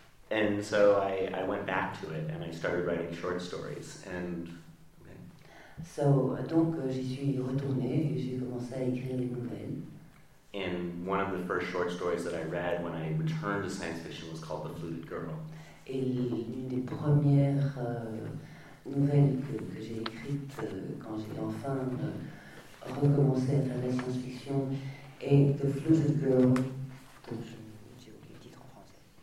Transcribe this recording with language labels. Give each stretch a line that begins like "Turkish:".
English: And so I went back to it and I started writing short stories. And
French: so donc j'y suis retournée et j'ai commencé à écrire des nouvelles.
English: And one of the first short stories that I read when I returned to science fiction was called The Fluted Girl.
French: Et l'une des premières nouvelles que j'ai écrites quand j'ai enfin recommencé à faire la science-fiction est The Fluted Girl, donc j'ai oublié le titre en français.